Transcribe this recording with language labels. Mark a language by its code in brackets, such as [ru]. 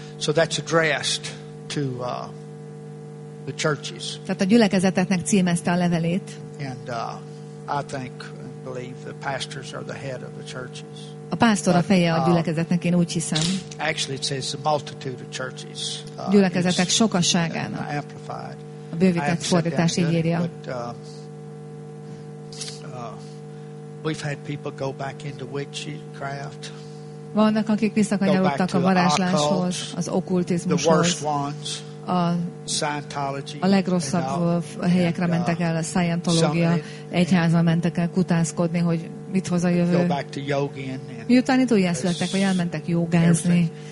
[en] So that's addressed to the churches. [hu] Tehát a gyülekezeteknek címezte a levelét. [en] And I think and believe the pastors are the head of the churches. [hu] A pásztor a feje a gyülekezetnek, én úgy hiszem. [en] Actually it says the multitude of churches. [hu] Gyülekezetek sokasságának. [en] Amplified. [hu] A bővített fordítás így írja. [en] We've had people go back into witchcraft. [hu] Vannak, akik visszakanyarodtak a varázsláshoz, az okkultizmushoz. [en] The worst ones. [hu] A legrosszabb helyekre mentek el, a Scientology egyházba mentek el kutászkodni, hogy mit hoz a jövő. Miután itt újjászülettek, vagy elmentek jogázni.